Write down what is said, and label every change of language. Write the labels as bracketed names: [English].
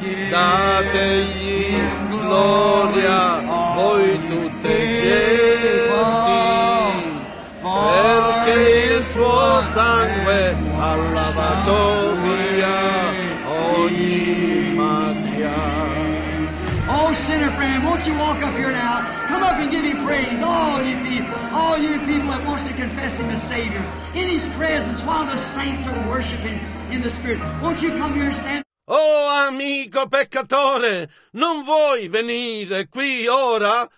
[Italian] Dategli gloria, voi tutte genti, perché il suo sangue ha lavato via ogni macchia. [English] Oh, sinner friend, won't you walk up here now? Come up and give him praise, all you people that wants to confess him as Savior, in his presence, while the saints are worshiping in the Spirit. Won't you come here and stand? [Italian] Oh, amico peccatore, non vuoi venire qui ora?